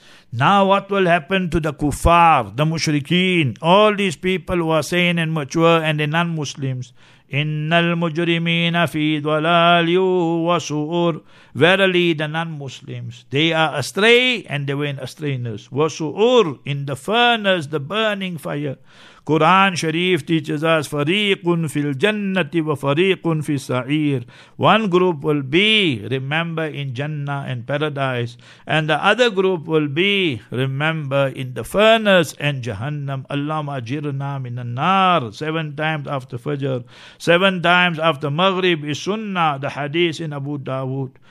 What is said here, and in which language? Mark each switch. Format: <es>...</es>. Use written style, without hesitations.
<en>Now what will happen to the kuffar, the mushrikeen, all these people who are sane and mature and the non-Muslims?</en> <ar>إِنَّ الْمُجْرِمِينَ فِي ضَلَالٍ وَسُعُرٍ.</ar> <en>Verily the non-Muslims, they are astray and they were in astrayness. وَسُعُرٍ, in the furnace, the burning fire. Quran Sharif teaches us,</en> <ar>فَرِيقٌ فِي الْجَنَّةِ وَفَرِيقٌ فِي السَّعِيرِ.</ar> <en>One group will be, remember, in Jannah and Paradise, and the other group will be, remember, in the furnace and Jahannam.</en> <ar>اللَّهُمَ أَجِرْنَا مِنَ النَّارِ.</ar> <en>7 times after Fajr, 7 times after Maghrib is Sunnah, the hadith in Abu Dawood.</en>